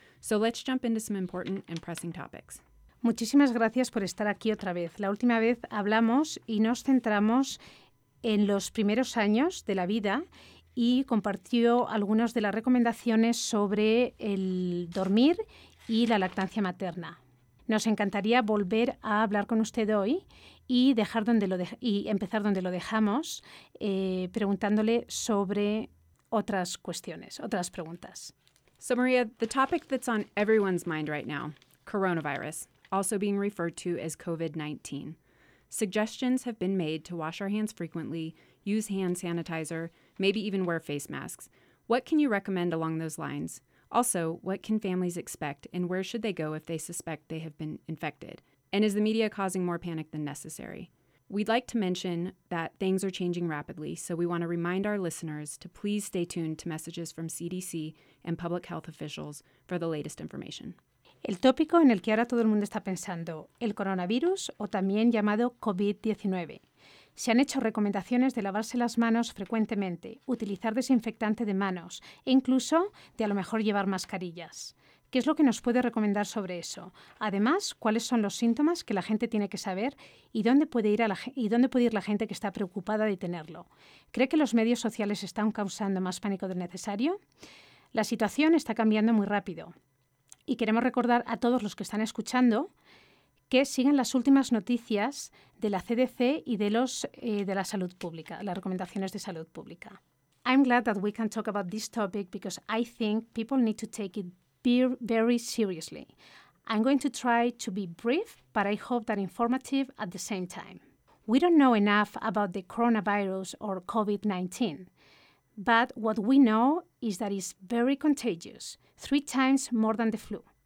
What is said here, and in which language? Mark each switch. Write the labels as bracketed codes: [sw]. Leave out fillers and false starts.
[en] So let's jump into some important and pressing topics. [es] Muchísimas gracias por estar aquí otra vez. La última vez hablamos y nos centramos en los primeros años de la vida y compartió algunas de las recomendaciones sobre el dormir y la lactancia materna. Nos encantaría volver a hablar con usted hoy y empezar donde lo dejamos, preguntándole sobre otras cuestiones, otras preguntas. [en] So Maria, the topic that's on everyone's mind right now, coronavirus, also being referred to as COVID-19. Suggestions have been made to wash our hands frequently, use hand sanitizer, maybe even wear face masks. What can you recommend along those lines? Also, what can families expect and where should they go if they suspect they have been infected? And is the media causing more panic than necessary? We'd like to mention that things are changing rapidly, so we want to remind our listeners to please stay tuned to messages from CDC and public health officials for the latest information. [es] El tópico en el que ahora todo el mundo está pensando, el coronavirus o también llamado COVID-19. Se han hecho recomendaciones de lavarse las manos frecuentemente, utilizar desinfectante de manos e incluso de a lo mejor llevar mascarillas. ¿Qué es lo que nos puede recomendar sobre eso? Además, ¿cuáles son los síntomas que la gente tiene que saber y dónde puede ir la gente que está preocupada de tenerlo? ¿Cree que los medios sociales están causando más pánico del necesario? La situación está cambiando muy rápido. Y queremos recordar a todos los que están escuchando que sigan las últimas noticias de la CDC y de la salud pública, las recomendaciones de salud pública. [en] I'm glad that we can talk about this topic because I think people need to take it very seriously. I'm going to try to be brief, but I hope that informative at the same time. We don't know enough about the coronavirus or COVID-19, but what we know is that it's very contagious, 3 times more than the flu.